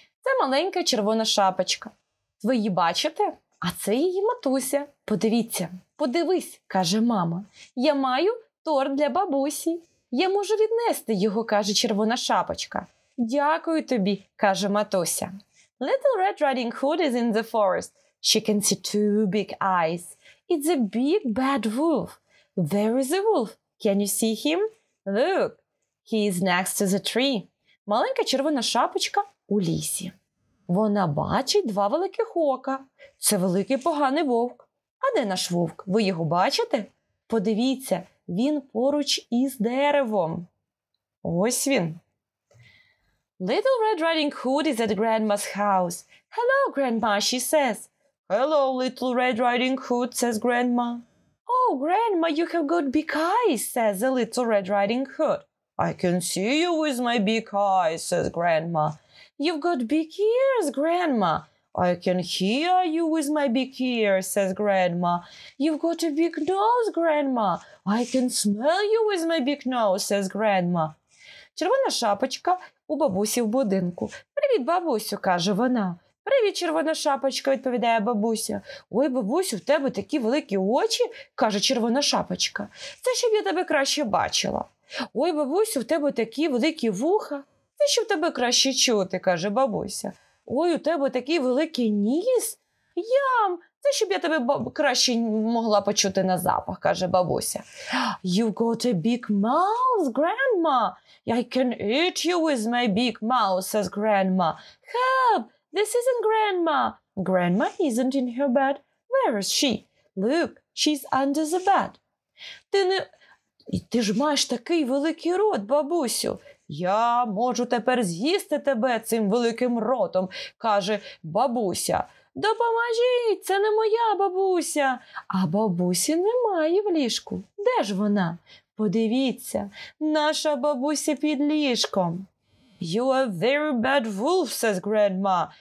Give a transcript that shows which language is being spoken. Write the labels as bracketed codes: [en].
[uk] Це маленька червона шапочка. Ви її бачите? А це її матуся. Подивіться. Подивись, каже мама. Я маю торт для бабусі. Я можу віднести його, каже червона шапочка. Дякую тобі, каже матуся. [en] Little Red Riding Hood is in the forest. She can see two big eyes. It's a big bad wolf. There is a wolf. Can you see him? Look, he is next to the tree. [uk] Маленька червона шапочка у лісі. Вона бачить два великих ока. Це великий поганий вовк. А де наш вовк? Ви його бачите? Подивіться, він поруч із деревом. Ось він. [en] Little Red Riding Hood is at Grandma's house. Hello, Grandma, she says. Hello, Little Red Riding Hood, says Grandma. Oh, Grandma, you have got big eyes, says the Little Red Riding Hood. I can see you with my big eyes, says Grandma. You've got big ears, Grandma. I can hear you with my big ears, says Grandma. You've got a big nose, Grandma. I can smell you with my big nose, says Grandma. [uk] Червона шапочка у бабусі в будинку. «Привіт, бабусю!» – каже вона. «Привіт, червона шапочка!» – відповідає бабуся. «Ой, бабусю, в тебе такі великі очі!» – каже червона шапочка. «Це щоб я тебе краще бачила!» «Ой, бабусю, в тебе такі великі вуха!» «Це щоб тебе краще чути!» – каже бабуся. «Ой, у тебе такий великий ніс!» «Ям!» – «Це щоб я тебе краще могла почути на запах!» – каже бабуся. [en] «You've got a big mouth, Grandma!» I can eat you with my big mouth, says Grandma. Help! This isn't Grandma. Grandma isn't in her bed. Where is she? Look, she's under the bed. [uk] Ти ж маєш такий великий рот, бабусю. Я можу тепер з'їсти тебе цим великим ротом, каже бабуся. Допоможіть, це не моя бабуся. А бабусі немає в ліжку. Де ж вона? Подивіться, наша бабуся під ліжком. [en] You are a very bad wolf, says Grandma.